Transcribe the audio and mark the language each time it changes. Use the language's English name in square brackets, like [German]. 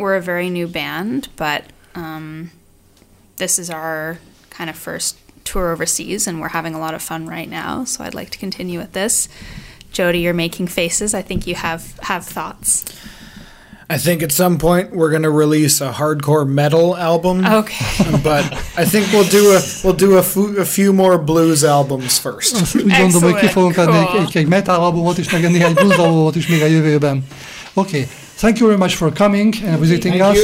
[English] We're a very new band, but this is our kind of first tour overseas, and we're having a lot of fun right now. So I'd like to continue with this. Jody, you're making faces. I think you have thoughts. I think at some point we're going to release a hardcore metal album. Okay. But I think we'll do a few more blues albums first. [Hungarian] Gondolom, hogy ki fogunk adni egy metal albumot is, meg néhány blues albumot is még a jövőben. [English] Okay. Thank you very much for coming and visiting us.